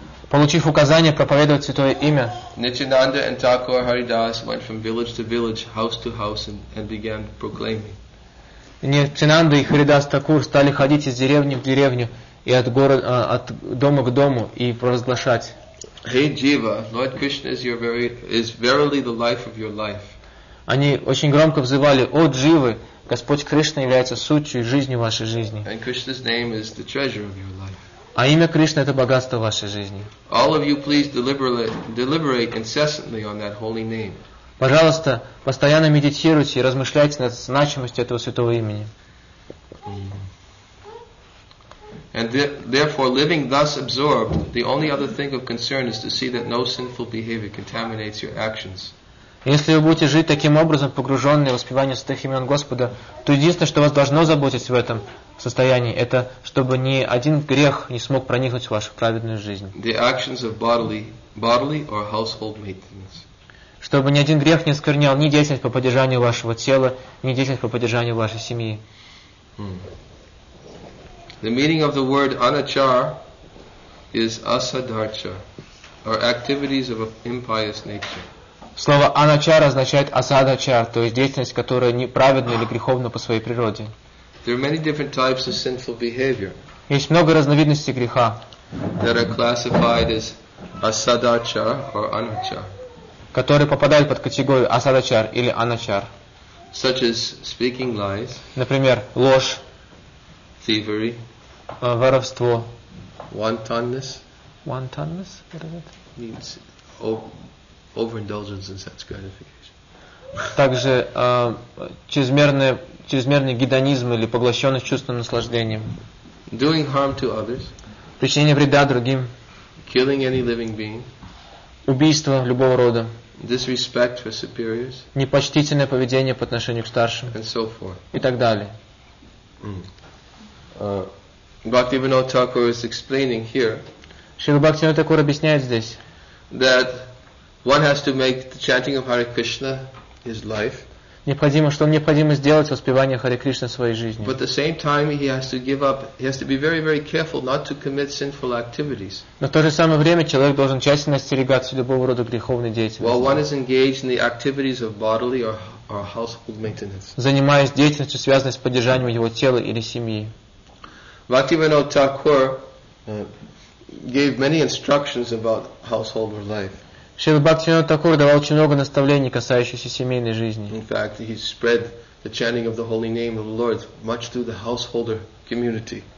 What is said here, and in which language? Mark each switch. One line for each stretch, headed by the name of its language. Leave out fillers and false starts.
Russian: Получив указание проповедовать Святое Имя,
English: Nityananda and Thakur Haridas went from village to village, house to house, and began proclaiming.
Russian: Nityananda и Haridas Thakur стали ходить из деревни в деревню и от города, от дома к дому и провозглашать.
English: Hey Jiva, Lord Krishna is your very, is verily the life of your life.
Russian: Они очень громко взывали: «О, Дживы, Господь Кришна является сутью и жизнью вашей жизни».
English: And Krishna's name is the treasure of your life.
Russian: А имя Кришна — это богатство вашей жизни.
English: All of you please deliberate incessantly on that holy name.
Russian: Пожалуйста, постоянно медитируйте и размышляйте над значимостью этого святого имени.
English: And therefore, living thus absorbed, the only other thing of concern is to see that no sinful behavior contaminates your actions.
Russian: Если вы будете жить таким образом, погруженные в воспевание святых имен Господа, то единственное, что вас должно заботить в этом состоянии, это чтобы ни один грех не смог проникнуть в вашу праведную жизнь.
English: The actions of bodily or household maintenance.
Russian: Чтобы ни один грех не осквернял ни деятельность по поддержанию вашего тела, ни деятельность по поддержанию вашей семьи.
English: The meaning of the word anachar is asadharcha, or activities of an impious nature.
Russian: Слово «аначар» означает «асадачар», то есть деятельность, которая неправедна или греховна по своей природе.
English: There are many different types of sinful behavior.
Russian: Есть много разновидностей греха,
English: that are classified as asadachar or anachar.
Russian: Которые попадают под категорию «асадачар» или «аначар».
English: Such as speaking lies.
Russian: Например, ложь.
English: Thievery.
Russian: Воровство.
English: Wantonness. Wantonness? What is it? Means overindulgence in sex gratification.
Russian: Также чрезмерный гедонизм или поглощенность чувственным наслаждением.
English: Doing harm to others.
Russian: Причинение вреда другим.
English: Killing any living being.
Russian: Убийство любого рода.
English: Disrespect for superiors.
Russian: Непочтительное поведение по отношению к старшим.
English: And so forth.
Russian: И так далее.
English: Bhaktivinoda Thakur is explaining here.
Russian: Шрила Бхактивинода Тхакура объясняет здесь.
English: That one has to make the chanting of Hare Krishna his life.
Russian: Необходимо, что необходимо сделать воспевание Харе Кришна своей жизни.
English: But at the same time, he has to give up. He has to be very, very careful not to commit sinful activities.
Russian: Но в то же самое время человек должен тщательно остерегаться любого рода греховной деятельности.
English: While one is engaged in the activities of bodily or household maintenance.
Russian: Занимаясь деятельностью, связанной с поддержанием его тела или семьи.
English: Bhaktivinoda Thakur gave many instructions about household life.
Russian: Шрила Бхактивинода Тхакур давал очень много наставлений, касающихся семейной жизни.
English: In fact, he spread the chanting of the holy name of the Lord much through the householder community.